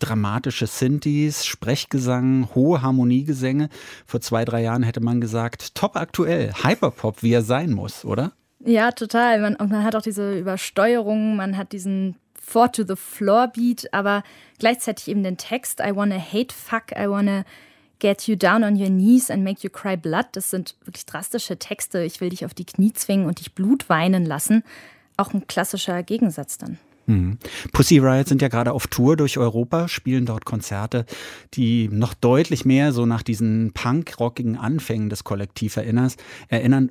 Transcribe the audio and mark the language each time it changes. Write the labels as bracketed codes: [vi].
[de] Dramatische Synthes, Sprechgesang, hohe Harmoniegesänge. Vor 2, 3 Jahren hätte man gesagt, top aktuell, Hyperpop, wie er sein muss, oder? Ja, total. Man hat auch diese Übersteuerung, man hat diesen Four to the floor beat, aber gleichzeitig eben den Text. [en] I wanna hate fuck, I wanna get you down on your knees and make you cry blood. [de] Das sind wirklich drastische Texte. Ich will dich auf die Knie zwingen und dich Blut weinen lassen. Auch ein klassischer Gegensatz dann. Pussy Riot sind ja gerade auf Tour durch Europa, spielen dort Konzerte, die noch deutlich mehr so nach diesen punkrockigen Anfängen des Kollektiv erinnern.